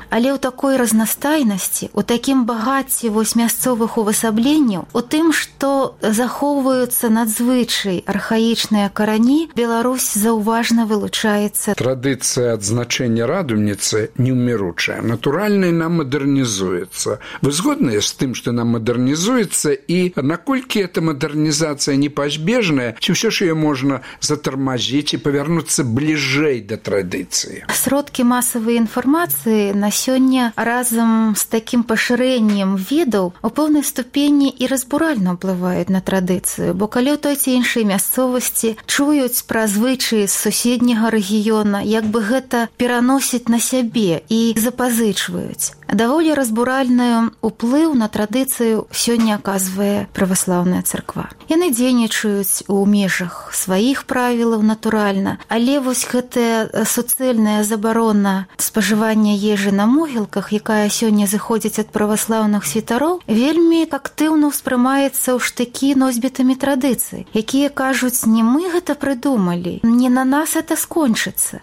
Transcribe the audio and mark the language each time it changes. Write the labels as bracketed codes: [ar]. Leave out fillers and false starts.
[be] Але ў такой разнастайнасці, ў такім багацці вось мясцовых увасабленняў, у тым, што захоўваюцца надзвычай архаічныя карані, Беларусь заўважна вылучаецца. Традыцыя адзначэння радуніцы неўміручая. Натуральна яна мадэрнізуецца. Вы згодныя з тым, што яна мадэрнізуецца, і наколькі эта мадэрнізацыя непазбежная, ці ўсё ж яе можна затрымаць? [ru] Тормозить и повернуться ближе до традиции. Сродки массовой информации на сегодня разом с таким поширением видов у полной ступени и разбурально уплывают на традицию, бо коли у той те иншей мясцовости чуют про звычаи с соседнего региона, як бы гэта переносит на себе и запазычваюць. Довольно разбуральную уплыв на традицию сегодня оказывает православная церква. [be] Яны дзейнічаюць у межах [ru] своих правил, [be] натуральна. Але вось гэтая суцэльная забарона спажывання ежы на могілках, якая сёння зыходзіць ад праваслаўных святароў, вельмі актыўна ўспрымаецца ў штыкі носьбітамі традыцыі, якія кажуць, не мы гэта прыдумалі, не на нас [ru] это [be] скончыцца.